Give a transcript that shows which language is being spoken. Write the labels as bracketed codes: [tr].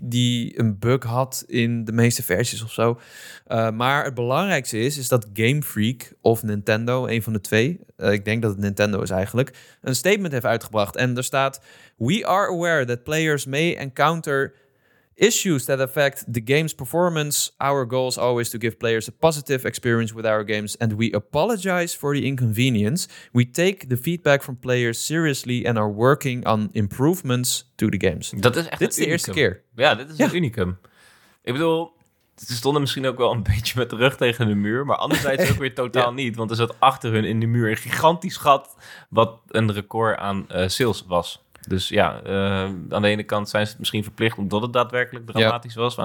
[nl] Die een bug had in de meeste versies of zo. Maar het belangrijkste is dat Game Freak of Nintendo, een van de twee. Ik denk dat het Nintendo is eigenlijk. Een statement heeft uitgebracht. En er staat, [en] we are aware that players may encounter issues that affect the game's performance. Our goal is always to give players a positive experience with our games. And we apologize for the inconvenience. We take the feedback from players seriously and are working on improvements to the games. [nl] Dat is echt dit is de eerste keer. Ja, dit is een unicum. Ik bedoel, ze stonden misschien ook wel een beetje met de rug tegen de muur. Maar anderzijds ook weer totaal niet. Want er zat achter hun in de muur een gigantisch gat wat een record aan sales was. Dus ja, aan de ene kant zijn ze het misschien verplicht omdat het daadwerkelijk dramatisch was.